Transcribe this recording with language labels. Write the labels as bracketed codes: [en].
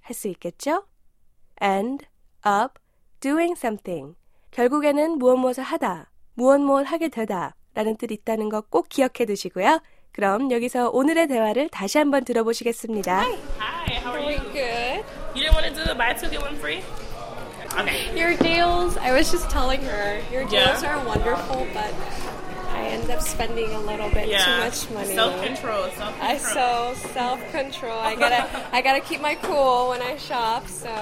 [ko] 할 수 있겠죠? [en] End up doing something. [ko] 결국에는 무엇무엇을 하다, 무엇무엇 하게 되다 라는 뜻 있다는 거 꼭 기억해 두시고요. 그럼 여기서 오늘의 대화를 다시 한번 들어보시겠습니다. [en] Hi, how are you? Good. You didn't want to do the buy two, get one free? Okay. Your deals, I was just telling her, your deals are wonderful, but I end up spending a little bit too much money. Self-control. I gotta keep my cool when I shop, so.